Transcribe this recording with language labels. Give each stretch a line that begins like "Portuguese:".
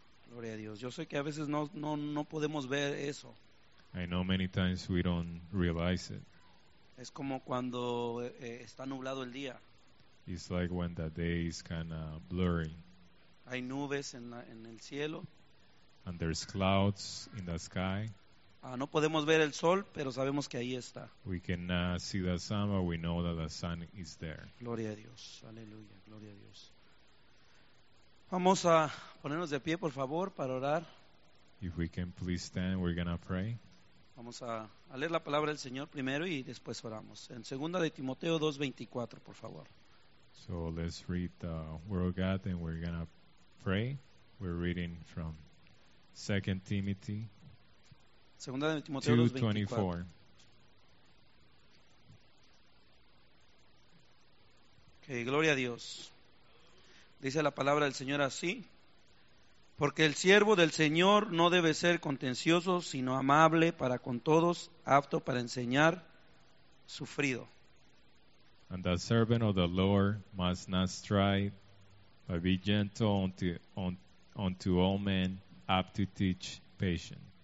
Spanish: Gloria a Dios. Yo sé que a veces no podemos ver eso.
English: I know many times we don't realize it.
Spanish: Es como cuando está nublado el día.
English: It's like when the day is kind of blurry.
Spanish: Hay nubes en el cielo.
English: And there's clouds in the sky.
Spanish: No podemos ver el sol, pero sabemos que ahí está.
English: We cannot see the sun, but we know that the sun is there.
Spanish: Gloria a Dios. Aleluya. Gloria a Dios. Vamos a ponernos de pie, por favor, para orar.
English: If we can please stand, we're going to pray.
Spanish: Vamos a leer la palabra del Señor primero y después oramos. En 2 de Timoteo 2:24, por favor.
English: So let's read the Word of God and we're going to pray. We're reading from 2 Timothy
Spanish: 2:24. Ok, gloria a Dios. Dice la palabra del Señor así: porque el siervo del Señor no debe ser contencioso, sino amable para con todos, apto para enseñar, sufrido.
English: And the servant of the Lord must not strive, but be gentle unto all men, apt to teach, patient.